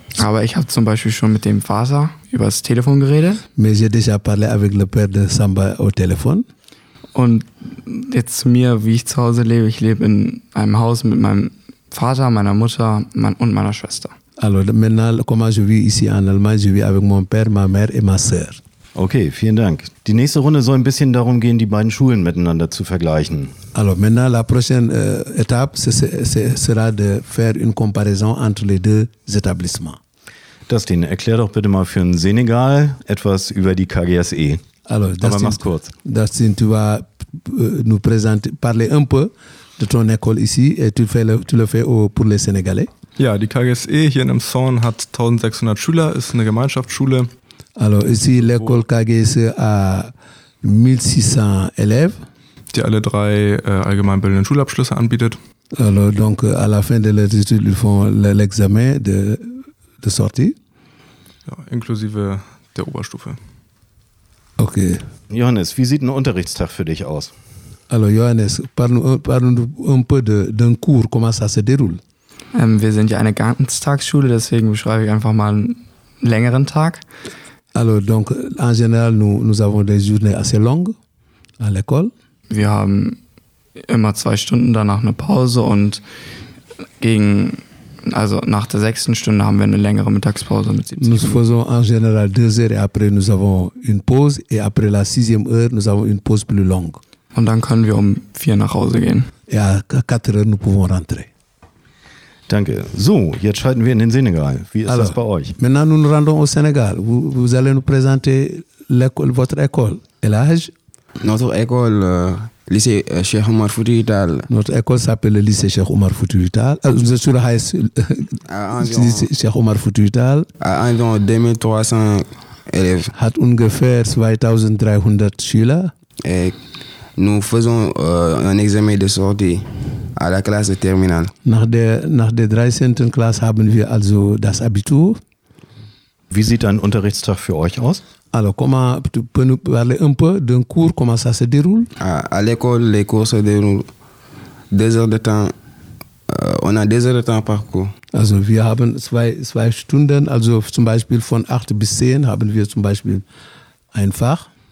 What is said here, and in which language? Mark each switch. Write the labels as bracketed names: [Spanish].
[German] Aber ich habe zum Beispiel schon mit dem Vater über das Telefon geredet. [French] Mais j'ai déjà parlé avec le père de Samba au téléphone. [German] Und jetzt zu mir, wie ich zu Hause lebe. Ich lebe in einem Haus mit meinem Vater, meiner Mutter und meiner Schwester. [French] Alors maintenant, comment je vis ici en Allemagne? Je vis avec mon père, ma mère et ma sœur. [German] Okay, vielen Dank. Die nächste Runde soll ein bisschen darum gehen, die beiden Schulen miteinander zu vergleichen. [French] Alors maintenant, la prochaine étape sera de faire une comparaison entre les deux établissements. [German] Dustin, erklär doch bitte mal für den Senegal etwas über die KGSE. [French] Alors, [German] Dustin, aber mach's kurz. [French] Dustin, tu vas nous présenter, parler un peu de ton école ici et tu le fais pour les Sénégalais. [German] Ja, die KGSE hier in Elmshorn hat 1600 Schüler, ist eine Gemeinschaftsschule. [French] Alors ici l'école KGSE a 1600 élèves. [German] Die alle drei allgemeinbildenden Schulabschlüsse anbietet. [French] Alors donc à la fin de leurs études, ils font l'examen de sortie. [German] Ja, inklusive der Oberstufe. Okay. Johannes, wie sieht ein Unterrichtstag für dich aus? [French] Alors Johannes, parle-nous un peu d'un cours, comment ça se déroule? [German] Wir sind ja eine Ganztagsschule, deswegen beschreibe ich einfach mal einen längeren Tag. [French] Alors donc en général nous avons des journées assez longues à l'école. [German] Wir haben immer zwei Stunden, danach eine Pause und nach der sechsten Stunde haben wir eine längere Mittagspause mit 70 Minuten. [French] Nous faisons en général deux heures et après nous avons une pause et après la sixième heure nous avons une pause plus longue. [German] Und dann können wir um 4 nach Hause gehen. [French] Ja, à 4 heures nous pouvons rentrer. [German] Danke. So, jetzt schalten wir in den Senegal. Wie ist das bei euch? [French] Maintenant nous nous rendons au Sénégal. Vous allez nous présenter l'école, votre école. Quel âge? Notre école, lycée Cheikh Omar Fouti Vital. Notre école s'appelle le lycée Cheikh Omar Fouti Vital. Vous êtes sur le lycée Cheikh Omar Fouti Vital. À environ 2300 élèves. [German] Hat ungefähr 2300 Schüler. [French] Et nous faisons un examen de sortie à la classe de terminale. [German] Nach der 13. Klasse haben wir also das Abitur. Wie sieht ein Unterrichtstag für euch aus? [French] Alors, comment tu peux nous parler un peu d'un cours, comment ça se déroule? À l'école, les cours se déroulent 2 heures de temps. On a 2 heures de temps par cours. [German] Also, wir haben zwei Stunden, also zum Beispiel von 8 bis 10 haben wir zum Beispiel ein Fach.